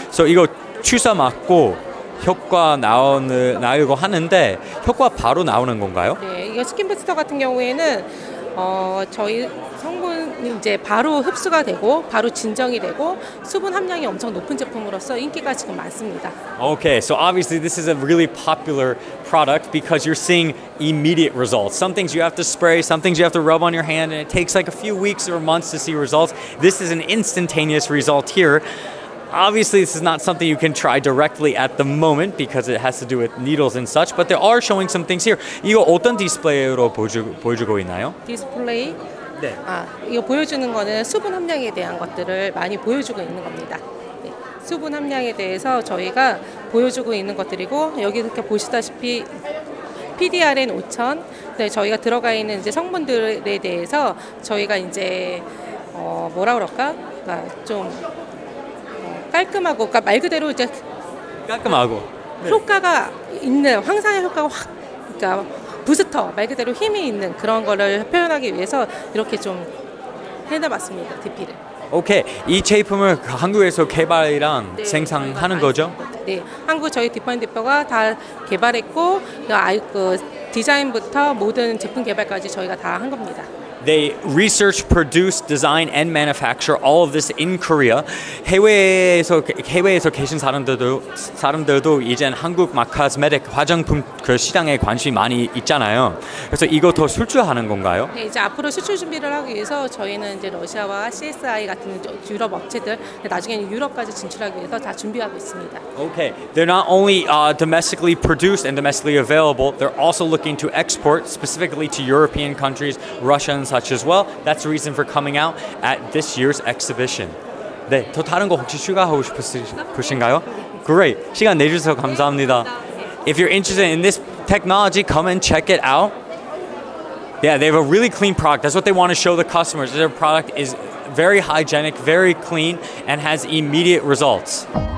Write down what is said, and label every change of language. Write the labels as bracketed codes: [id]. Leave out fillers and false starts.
[ko] So 이거 주사 맞고 효과 나오고 하는데 효과 바로 나오는 건가요? 네. 이거 스킨 부스터 같은 경우에는 저희 성분이 이제 바로 흡수가 되고 바로 진정이 되고 수분 함량이 엄청 높은 제품으로서 인기가 지금 많습니다. [en] Okay, so obviously this is a really popular product because you're seeing immediate results. Some things you have to spray, some things you have to rub on your hand, and it takes like a few weeks or months to see results. This is an instantaneous result here. Obviously, this is not something you can try directly at the moment because it has to do with needles and such, but they are showing some things here. [ko] 이거 어떤 디스플레이로 보여주고 있나요? 디스플레이? 네. 아, 이거 보여주는 거는 수분 함량에 대한 것들을 많이 보여주고 있는 겁니다. 네. 수분 함량에 대해서 저희가 보여주고 있는 것들이고, 여기 이렇게 보시다시피 PDRN 5000, 네, 저희가 들어가 있는 이제 성분들에 대해서 저희가 이제 뭐라 그럴까? 그러니까 좀 깔끔하고, 그러니까 말 그대로 이제 깔끔하고 효과가 네. 있는 황사의 효과가 확, 그러니까 부스터 말 그대로 힘이 있는 그런 거를 표현하기 위해서 이렇게 좀 해놔봤습니다 DP를. 오케이, 이 제품을 한국에서 개발이랑 네, 생산하는 거죠? 네, 한국 저희 디퍼인디퍼가 다 개발했고 그 디자인부터 모든 제품 개발까지 저희가 다 한 겁니다. [en] They research, produce, design, and manufacture all of this in Korea. [ko] 해외에서 계신 사람들도 이젠 한국 마카스메틱 화장품 그 시장에 관심이 많이 있잖아요. 그래서 이거 더 수출하는 건가요? 네, 이제 앞으로 수출 준비를 하기 위해서 저희는 이제 러시아와 CSI 같은 유럽 업체들, 나중에는 유럽까지 진출하기 위해서 다 준비하고 있습니다. [en] Okay, they're not only domestically produced and domestically available, they're also looking to export specifically to European countries, Russia, such as well. That's the reason for coming out at this year's exhibition. [ko] 네, 더 다른 거 혹시 추가하고 싶으신가요? [en] Great. [ko] 시간 내주셔서 감사합니다. [en] If you're interested in this technology, come and check it out. Yeah, they have a really clean product. That's what they want to show the customers. Their product is very hygienic, very clean, and has immediate results.